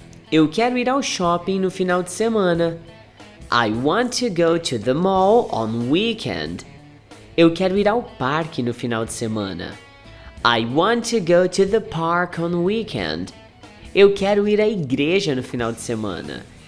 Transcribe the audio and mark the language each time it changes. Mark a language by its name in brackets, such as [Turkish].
[Portuguese] Eu quero ir ao shopping no final de semana. [English] I want to go to the mall on weekend. [Portuguese] Eu quero ir ao parque no final de semana. [English] I want to go to the park on weekend. [Portuguese] Eu quero ir à igreja no final de semana.